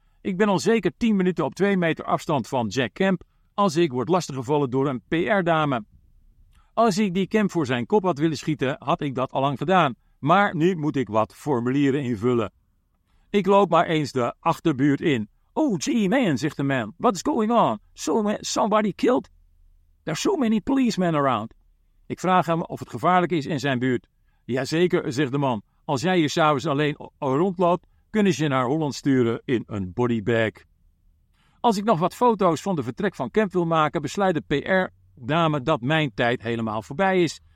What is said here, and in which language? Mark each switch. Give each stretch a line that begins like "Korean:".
Dutch: Ik ben al zeker 10 minuten op 2 meter afstand van Jack Kemp als ik word lastiggevallen door een PR-dame. Als ik die Kemp voor zijn kop had willen schieten, had ik dat allang gedaan. Maar nu moet ik wat formulieren invullen. Ik loop maar eens de achterbuurt in.
English: Oh gee man,
Dutch: zegt de man.
English: What is going on? Somebody killed? There are so many policemen around.
Dutch: Ik vraag hem of het gevaarlijk is in zijn buurt. Jazeker, zegt de man. Als jij hier s'avonds alleen rondloopt, kunnen ze je naar Holland sturen in een bodybag. Als ik nog wat foto's van de vertrek van Kemp wil maken, besluit de PR-dame dat mijn tijd helemaal voorbij is.